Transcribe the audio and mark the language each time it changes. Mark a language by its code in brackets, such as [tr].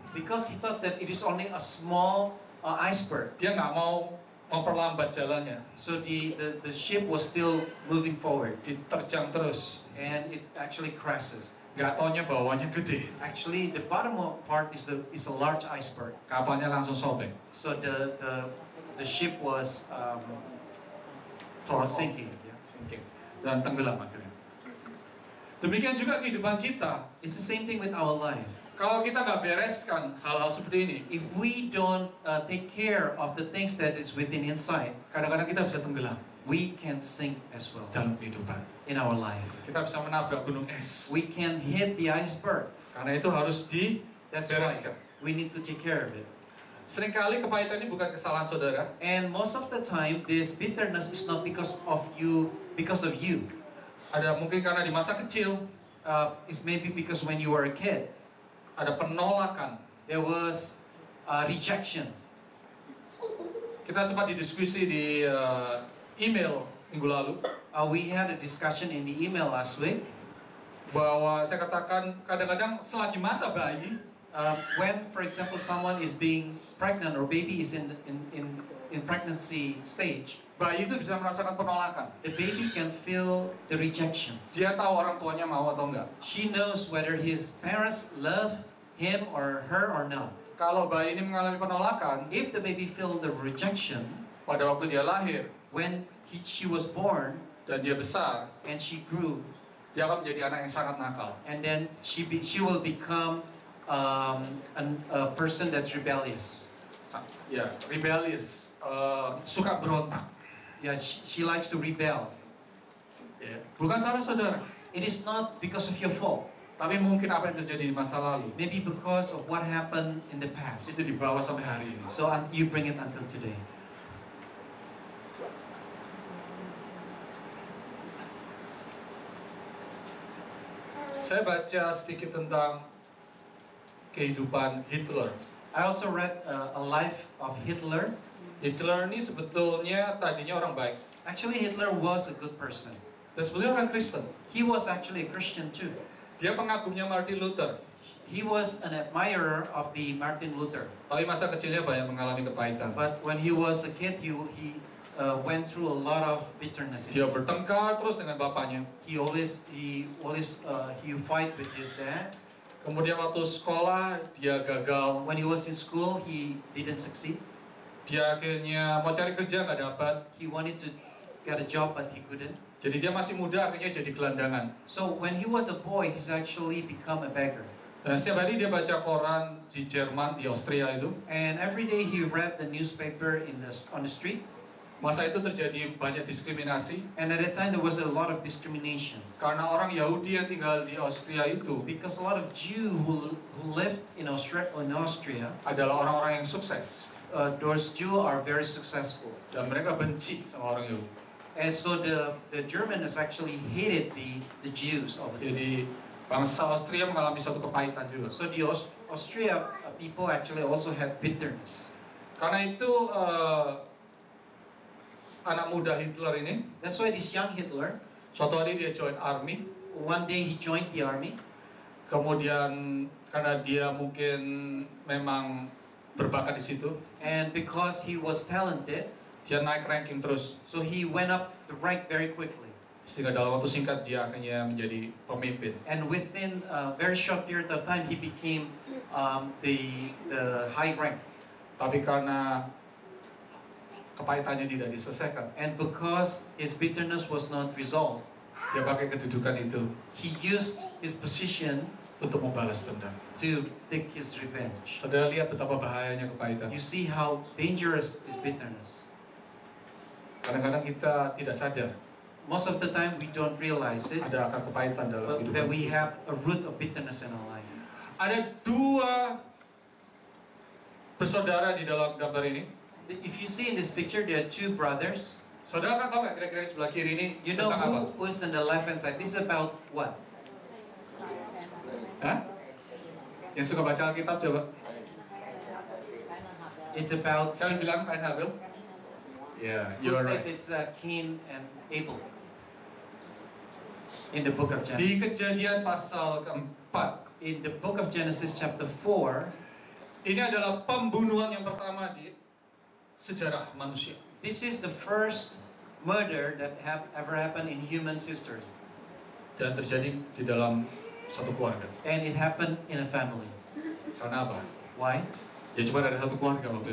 [en] Because he thought that it is only a small iceberg. [id] Dia nggak mau memperlambat jalannya. [en] So the ship was still moving forward. [id] Diterjang terus. [en] And it actually crashes. [id] Gak taunya bawahnya gede. [en] Actually the bottom part is a large iceberg. [id] Kapalnya langsung sobek. [en] So the ship was sinking. [id] Dan tenggelam akhirnya. Demikian juga kehidupan kita. [en] It's the same thing with our life. [id] Kalau kita nggak bereskan hal-hal seperti ini, [en] if we don't take care of the things that is within inside, [id] kadang-kadang kita bisa tenggelam. [en] We can sink as well. [id] Dalam kehidupan. [en] In our life. [id] Kita bisa menabrak gunung es. [en] We can hit the iceberg. [id] Karena itu harus dibereskan. [en] We need to take care of it. [id] Seringkali kepahitan ini bukan kesalahan saudara. [en] And most of the time, this bitterness is not because of you. [id] Ada mungkin karena di masa kecil. [en] It's maybe because when you were a kid. [id] Ada penolakan. [en] There was rejection. [id] Kita sempat didiskusi di email minggu lalu. [en] We had a discussion in the email last week. [id] Bahwa saya katakan kadang-kadang selagi masa bayi, [en] when for example someone is being pregnant or baby is in pregnancy stage, [id] bayi itu bisa merasakan penolakan. [en] The baby can feel the rejection. [id] Dia tahu orang tuanya mau atau enggak. [en] She knows whether his parents love him or her or not. [id] Kalau bayi ini mengalami penolakan, [en] if the baby feel the rejection, [id] pada waktu dia lahir, [en] when she was born, [id] dan dia besar, [en] and she grew, [id] dia akan menjadi anak yang sangat nakal. [en] And then she will become a person that's rebellious. Yeah, rebellious. [id] Suka berontak. [en] Yeah, she likes to rebel. [id] Yeah. Bukan salah saudara. [en] It is not because of your fault. [id] Tapi mungkin apa yang terjadi di masa lalu. [en] Maybe because of what happened in the past. [id] Itu dibawa sampai hari ini. [en] So you bring it until today. [id] Saya baca sedikit tentang kehidupan Hitler. [en] I also read a life of Hitler. [id] Hitler ini sebetulnya tadinya orang baik. [en] Actually Hitler was a good person. [id] Dan sebetulnya orang Kristen. [en] He was actually a Christian too. [id] Dia pengagumnya Martin Luther. [en] He was an admirer of the Martin Luther. [id] Tapi masa kecilnya banyak mengalami kepahitan. [en] But when he was a kid, he went through a lot of bitterness. [id] Dia bertengkar terus dengan bapaknya. [en] He fight with his dad. [id] Kemudian waktu sekolah dia gagal. [en] When he was in school, he didn't succeed. [id] Dia akhirnya mau cari kerja nggak dapat. [en] He wanted to get a job but he couldn't. [id] Jadi dia masih muda akhirnya jadi gelandangan. [en] So when he was a boy, he's actually become a beggar. [id] Dan setiap hari dia baca koran di Jerman, di Austria itu. [en] And every day he read the newspaper on the street. [id] Masa itu terjadi banyak diskriminasi. [en] And at that time there was a lot of discrimination. [id] Karena orang Yahudi yang tinggal di Austria itu. [en] Because a lot of Jews who lived in Austria. [id] Adalah orang-orang yang sukses. [en] Those Jews are very successful. [id] Dan mereka benci sama orang Yahudi. [en] And so the Germans actually hated the Jews over there. [id] Jadi bangsa Austria mengalami suatu kepahitan juga. [en] So the Austria people actually also had bitterness. [id] Karena itu anak muda Hitler ini. [en] That's why this young Hitler. [id] Suatu hari dia [en] join army. One day he joined the army. [id] Kemudian karena dia mungkin memang berbakat di situ. [en] And because he was talented. [id] Dia naik ranking terus. [en] So he went up the rank very quickly. [id] Sehingga dalam waktu singkat dia akhirnya menjadi pemimpin. [en] And within a very short period of time he became the high rank. [id] Tapi karena kepahitannya tidak diselesaikan. [en] And because his bitterness was not resolved. [id] Dia pakai kedudukan itu. [en] He used his position [id] untuk membalas dendam. [en] To take his revenge. [id] Saudara lihat betapa bahayanya kepahitan. [en] You see how dangerous is bitterness. [id] Kadang-kadang kita tidak sadar. [en] Most of the time we don't realize it. [id] Ada akar kepahitan dalam hidup kita. [en] That we have a root of bitterness in our life. [id] Ada dua bersaudara di dalam gambar ini. [en] If you see in this picture, there are two brothers. [id] Saudara kan tahu nggak kira-kira di sebelah kiri ini? [en] You know who is on the left hand side? This is about what? [id] Hah? Yang suka baca Alkitab coba. [en] It's about. [id] Saya bilang Cain Habil. [en] Yeah, you're right. It's Cain and Abel in the book of Genesis. [id] Di Kejadian pasal keempat. [en] In the book of Genesis chapter 4. [id] Ini adalah pembunuhan yang pertama di sejarah manusia. [en] This is the first murder that have ever happened in human history. [id] Dan terjadi di dalam satu keluarga. [en] And it happened in a family. [id] Karena apa? [en] Why? [id] Ya cuma ada satu keluarga waktu